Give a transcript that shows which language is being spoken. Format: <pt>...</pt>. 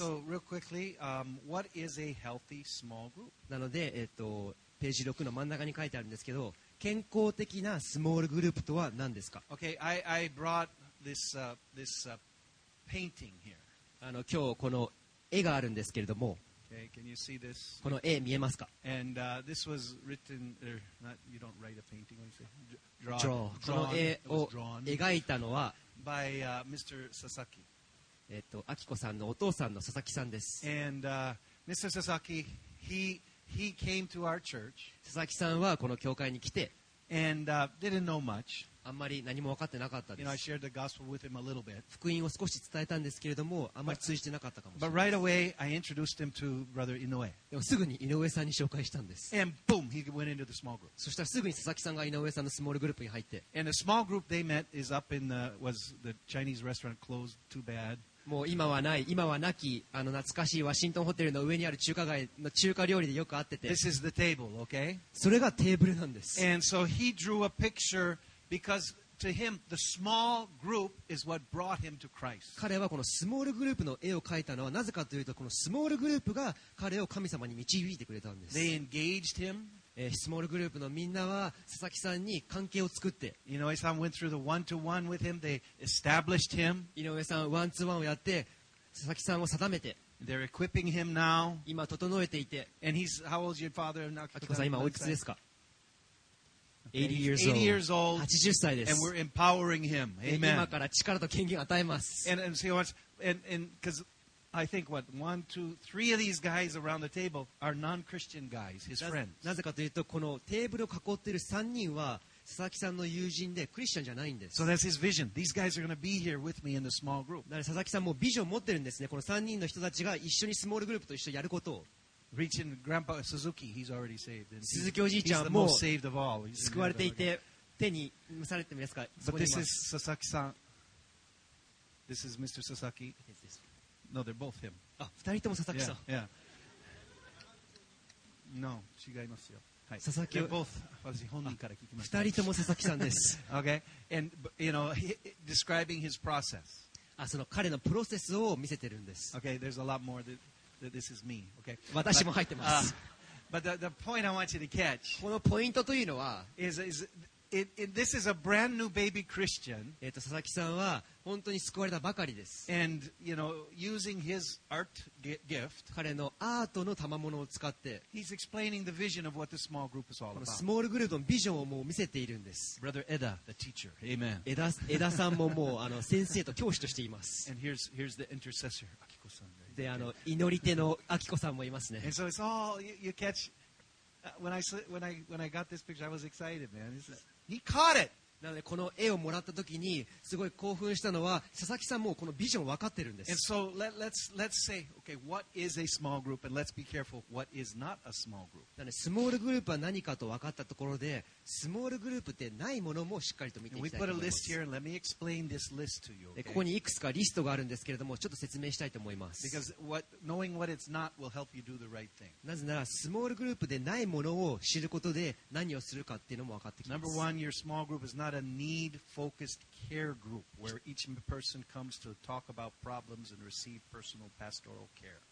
<en>So real quickly, what is a healthy small group?</en> <ja>なのでページ6の真ん中に書いてあるんですけど健康的なスモールグループとは何ですか</ja> <en>Okay, I brought this, painting here.</en> <ja>今日この絵があるんですけれども</ja> <en>okay, can you see this?</en> <ja>この絵見えますか</ja> <en>And, this was written, or not, you don't write a painting, what do you say?</en> <ja>Draw. この絵を描いたのは</ja> <en>by, Mr. Sasaki.</en> <ja>アキコさんのお父さんの佐々木さんです</ja> <en>And, Mr. Sasaki, He came to our church.</en> <ja>佐々木さんはこの教会に来て</ja> <en>and, didn't know much.</en> <ja>あんまり何も分かってなかったです。</ja> <en>You know, I shared the gospel with him a little bit.</en> <ja>福音を少し伝えたんですけれども、あんまり通じてなかったかもしれ</ja> <en>ない。But right away, I introduced him to Brother Inoue.</en> <ja>でもすぐに井上さんに紹介したんです。</ja> <en>And boom, he went into the small group.</en> <ja>そしたらすぐに佐々木さんが井上さんのスモールグループに入って。</ja> <en>And the small group they met is up in the, was the Chinese restaurant closed too bad.</en> <ja>もう今はない、今はなき、あの懐かしいワシントンホテルの上にある中華街の中華料理でよく会ってて。</ja> <en>This is the table, okay?</en> <ja>それがテーブルなんです。</ja> <en>And so he drew a picture because to him, the small group is what brought him to Christ.</en> <ja>彼はこのスモールグループの絵を描いたのはなぜかというと、このスモールグループが彼を神様に導いてくれたんです。</ja> <en>They engaged him.</en> <ja>スモールグループのみんなは佐々木さんに関係を作って</ja> <en>井上さん went through the one-to-one with him. They established him.</en> <ja>井上さんワンツーワンをやって佐々木さんを定めて</ja> <en>They're equipping him now.</en> <ja>今整えていて</ja> <en>And he's, how old is your father?</en> <ja>あきこさん今おいくつですか</ja> <en>80 years old. 80, years old.</en> <ja>80歳です</ja> <en>And we're empowering him. Amen.</en> <ja>今から力と権限を与えます</ja> <en>and so he wants, and, cause I think what one, two, three of these guys around the table are non-Christian guys, his friends.</en> <ja>なぜかというと、このテーブルを囲っている3人は佐々木さんの友人でクリスチャンじゃないんです。</ja> <en>So that's his vision. These guys are going to be here with me in the small group.</en> <ja>なので佐々木さんもビジョン持ってるんですね。この3人の人たちが一緒にスモールグループと一緒にやることを。</ja> <en>Reaching Grandpa Suzuki, he's already saved.</en> <ja>鈴木おじいちゃんも救われていて手にされてますか。</ja> <en>But this is Sasaki. This is Mr. Sasaki. No, they're both him.</en> <ja>あ、二人とも佐々木さん。</ja> <en>Yeah, yeah.</en> <ja>No, 違いますよ。はい、佐々木。</ja> <en>They're both.</en> <ja>私本人から聞きました。二人とも佐々木さんです。</ja> <en>Okay. And you know, describing his process.</en> <ja>あ、その彼のプロセスを見せてるんです。</ja> <en>Okay. There's a lot more that this is me. Okay.</en> <ja>私も入ってます。</ja> <en>But the point I want you to catch.</en> <ja>このポイントというのは</ja> <en>is this is a brand new baby Christian.</en> <ja>佐々木さんは本当に救われたばかりです。</ja> <en>And you know, using his art gift,</en> <ja>彼のアートの賜物を使って、</ja> <en>he's explaining the vision of what the small group is all about.</en> <ja>スモールグループのビジョンをもう見せているんです。</ja> <en>Brother Eda, the teacher, amen.</en> <ja>Eda さんももうあの先生と教師としています。</ja> <en>And here's the intercessor, Akiko さん。</en> <ja>で、あの祈り手の Akiko さんもいますね。</ja> <en>And so it's all you catch. When I got this picture, I was excited, man. He caught it.</en> <ja>なのでこの絵をもらったときにすごい興奮したのは佐々木さんもこのビジョン分かってるんです。</ja> <en>And so let's say, okay, what is a small group? And let's be careful, what is not a small group?</en> <ja>なのでスモールグループは何かと分かったところで、スモールグループってないものもしっかりと見ていきたいと思います。</ja> <en>And we put a list here and let me explain this list to you, okay?</en> <ja>ここにいくつかリストがあるんですけれども、ちょっと説明したいと思います。</ja> <en>Because knowing what it's not will help you do the right thing.</en> <ja>なぜならスモールグループでないものを知ることで何をするかっていうのも分かってきます。</ja> <en>Number one, your small group is not a need-focused care group where each person comes to talk about problems and receive personal pastoral care.</en>